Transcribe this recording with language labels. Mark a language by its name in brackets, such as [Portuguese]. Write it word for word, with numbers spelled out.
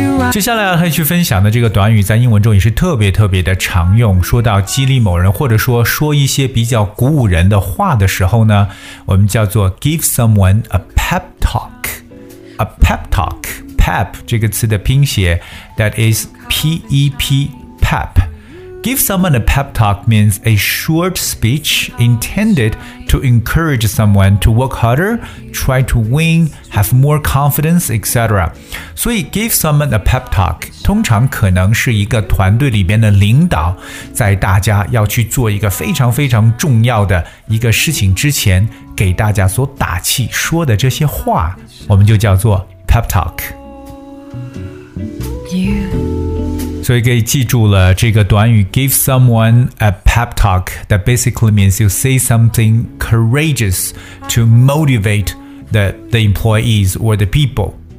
[Chinese] 接下来要去分享的这个短语在英文中也是特别特别的常用，说到激励某人或者说说一些比较鼓舞人的话的时候呢，我们叫做 give someone a pep talk。 [English] A pep talk， pep [Chinese] 这个词的拼写 [English] that is P E P pep。 Give someone a pep talk means a short speech intended to encourage someone to work harder, try to win, have more confidence, et cetera. [Chinese] 所以 give someone a pep talk 通常可能是一个团队里边的领导在大家要去做一个非常非常重要的一个事情之前给大家所打气说的这些话，我们就叫做 pep talk。所以可以记住了这个短语 [English] give someone a pep talk that basically means you say something courageous to motivate the, the employees or the people.